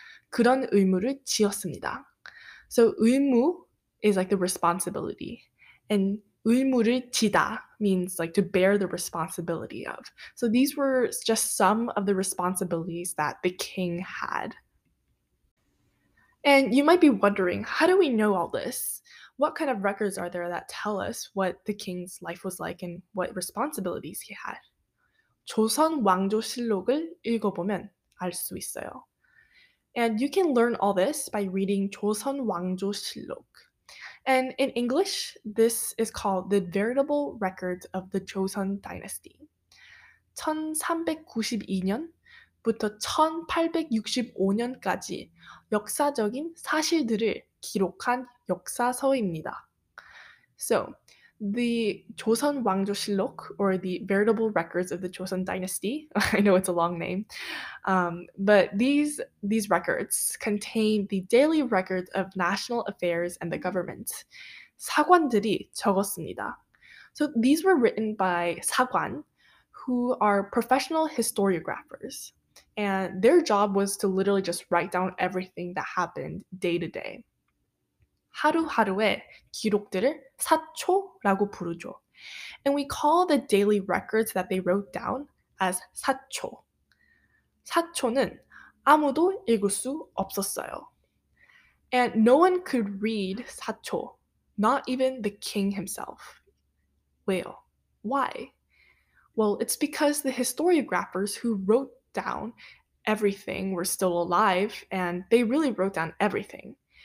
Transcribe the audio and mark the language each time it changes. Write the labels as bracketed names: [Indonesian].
[Korean] 그런 의무를 지었습니다. [English] So 의무 is like the responsibility. And [Korean] 의무를 지다 [English] means like to bear the responsibility of. So these were just some of the responsibilities that the king had. And you might be wondering, how do we know all this? What kind of records are there that tell us what the king's life was like and what responsibilities he had? [Korean] 조선 왕조 실록을 읽어보면 알 수 있어요. [English] And you can learn all this by reading 조선 왕조 실록. And in English, this is called the Veritable Records of the Joseon Dynasty. [Korean] 1392년부터 1865년까지 역사적인 사실들을 기록한 역사서입니다. [English] So, the 조선 왕조 실록, or the Veritable Records of the Joseon Dynasty, I know it's a long name, but these records contain the daily records of national affairs and the government. [Korean] 사관들이 적었습니다. [English] So these were written by 사관, who are professional historiographers, and their job was to literally just write down everything that happened day to day. [Korean] 하루하루의 기록들을 사초라고 부르죠. [English] And we call the daily records that they wrote down as 사초. [Korean] 사초는 아무도 읽을 수 없었어요. [English] And no one could read 사초, not even the king himself. [Korean] 왜요? [English] Why? Well, it's because the historiographers who wrote down everything were still alive, and they really wrote down everything.